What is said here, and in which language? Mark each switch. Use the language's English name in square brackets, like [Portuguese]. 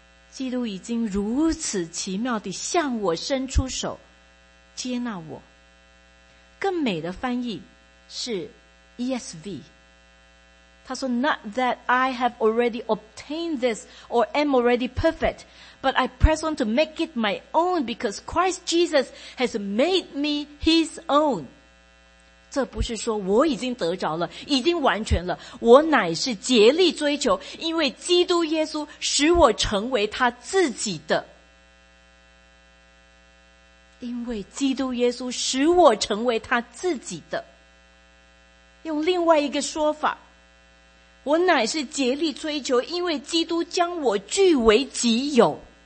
[Chinese] 基督已经如此奇妙地向我伸出手，接纳我。更美的翻译是 [English] ESV， [Chinese] 他说 [English] Not that I have already obtained this or am already perfect, but I press on to make it my own because Christ Jesus has made me his own。 [Chinese] 这不是说我已经得着了，已经完全了，我乃是竭力追求，因为基督耶稣使我成为他自己的。因为基督耶稣使我成为他自己的，用另外一个说法，我乃是竭力追求，因为基督将我据为己有。